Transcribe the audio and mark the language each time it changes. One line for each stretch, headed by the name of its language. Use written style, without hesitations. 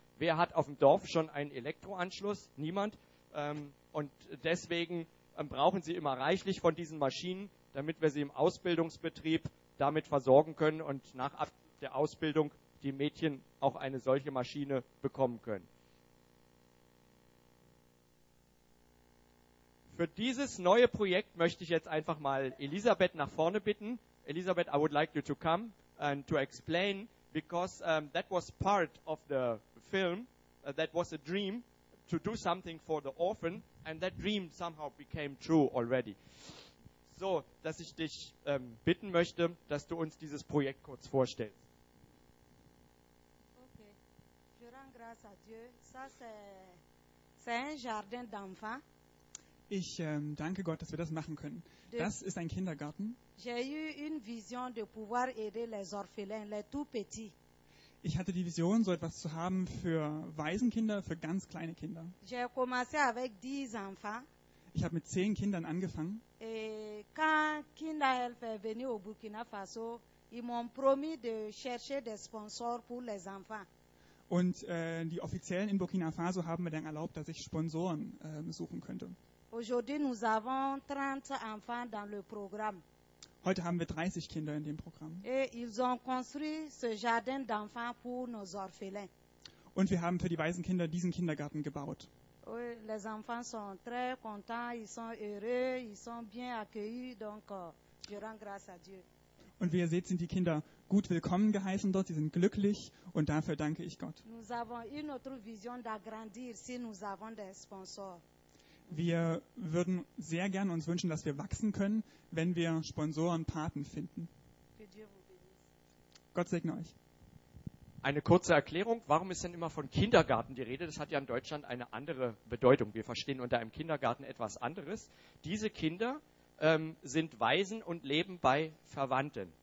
German: Wer hat auf dem Dorf schon einen Elektroanschluss? Niemand. Und deswegen brauchen sie immer reichlich von diesen Maschinen, damit wir sie im Ausbildungsbetrieb damit versorgen können und nach der Ausbildung die Mädchen auch eine solche Maschine bekommen können. Für dieses neue Projekt möchte ich jetzt einfach mal Elisabeth nach vorne bitten.
English: Elisabeth, I would like you to come and to explain, because that was part of the film, that was a dream to do something for the orphan, and that dream somehow became true already.
German: So, dass ich dich bitten möchte, dass du uns dieses Projekt kurz vorstellst.
French: Okay. Je rends grâce à Dieu. Ça, c'est un jardin d'enfants.
German: Ich danke Gott, dass wir das machen können. Das ist ein Kindergarten.
French: J'ai eu une vision de pouvoir aider les orphelins, les tout petits.
German: Ich hatte die Vision, so etwas zu haben für Waisenkinder, für ganz kleine Kinder.
French: J'ai commencé avec 10 enfants.
German: Ich habe mit 10 Kindern angefangen.
French: Quand Kinderhelfer venu au Burkina Faso, ils m'ont promis de chercher des sponsors pour les enfants.
German: Und die Offiziellen in Burkina Faso haben mir dann erlaubt, dass ich Sponsoren suchen könnte.
French: Aujourd'hui nous avons 30 enfants dans le programme.
German: Heute haben wir 30 Kinder in dem Programm.
French: Et ils ont construit ce jardin d'enfants pour nos orphelins.
German: Und wir haben für die Waisenkinder diesen Kindergarten gebaut.
French: Oui, les enfants sont très contents, ils sont heureux, ils sont bien accueillis, donc je rends grâce à Dieu.
German: Und wie ihr seht, sind die Kinder gut willkommen geheißen dort. Sie sind glücklich und dafür danke ich Gott.
French: Nous avons une autre vision d'agrandir si nous avons des sponsors.
German: Wir würden sehr gerne uns wünschen, dass wir wachsen können, wenn wir Sponsoren, Paten finden. Gott segne euch. Eine kurze Erklärung, warum ist denn immer von Kindergarten die Rede? Das hat ja in Deutschland eine andere Bedeutung. Wir verstehen unter einem Kindergarten etwas anderes. Diese Kinder sind Waisen und leben bei Verwandten.